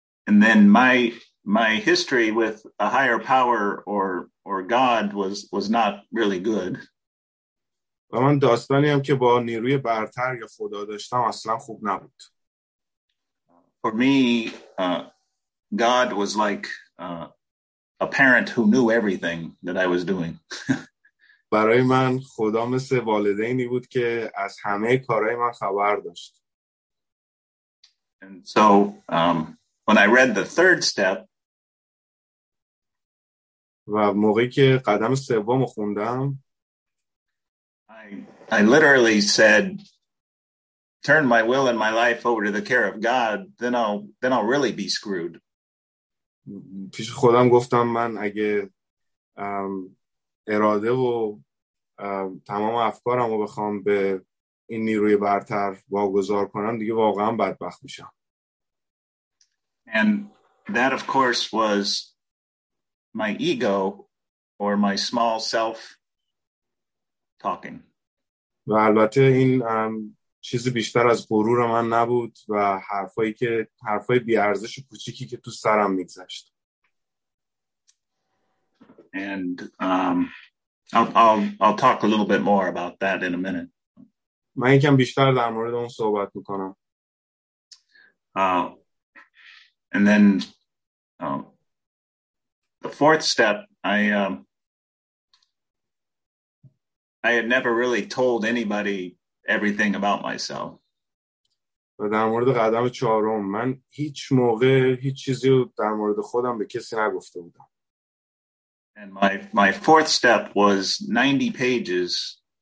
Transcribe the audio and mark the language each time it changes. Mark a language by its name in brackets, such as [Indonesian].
[English] And then my history with a higher power or God was not really good. [Persian] و من داستانی هم که با نیروی برتر یا خدا داشتم اصلا خوب نبود. [English] For me, God was like a parent who knew everything that I was doing. [Persian] برای من خدا مثل والدینی بود که از همه کارهای من خبر داشت. [English] And so when I read the third step, [Persian] و موقعی که قدم سومو خوندم, [English] I literally said, turn my will and my life over to the care of God, then I'll really be screwed. [Persian] پیش خودم گفتم من اگه اراده و تمام افکارمو بخوام به این نیروی برتر واگذار کنم دیگه واقعا بدبخت میشم. [English] And that of course was my ego or my small self talking. [Persian] و البته این چیزی بیشتر از غرور من نبود و حرفای بی ارزش کوچیکی که تو سرم میگذشت. [English] And I'll talk a little bit more about that in a minute. [Persian] من یکم بیشتر در مورد اون صحبت میکنم. [English] And then the fourth step, I had never really told anybody everything about myself. [Persian] و در مورد قدم چهارم من هیچ موقع هیچ چیزی در مورد خودم به کسی نگفته بودم. [English] And my fourth step was 90 pages.